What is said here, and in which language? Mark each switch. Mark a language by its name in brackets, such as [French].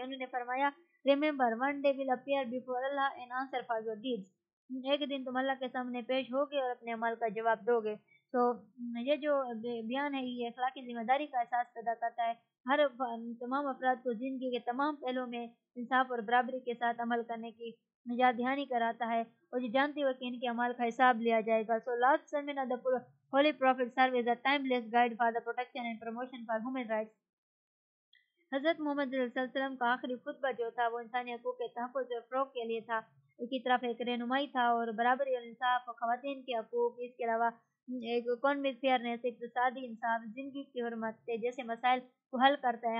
[Urdu] انہوں نے فرمایا [English] remember one day will appear before Allah and answer for your deeds, [Urdu] ایک دن تم اللہ کے سامنے پیش ہوگے اور اپنے اعمال کا جواب دو گے. تو یہ جو بیان ہے یہ اخلاقی ذمہ داری کا احساس پیدا کرتا ہے, ہر تمام افراد کو زندگی کے تمام پہلوؤں میں انصاف اور برابری کے ساتھ عمل کرنے کی یاد دھیانی کراتا ہے, اور جو جانتے ہوئے کہ ان کے اعمال کا حساب لیا جائے گا. [English] So last sermon of the holy prophet serve as a time guide for the protection and promotion for human rights. [Urdu] حضرت محمد صلی اللہ علیہ وسلم کا آخری خطبہ جو تھا وہ انسانی حقوق کے تحفظ اور فروغ کے لیے تھا, اس کی طرف ایک رہنمائی تھا, اور برابری اور انصاف, خواتین کے حقوق, اس کے علاوہ کون بھی فیئرنیس اقتصادی انصاف زندگی کی حرمت جیسے مسائل کو حل کرتا ہے.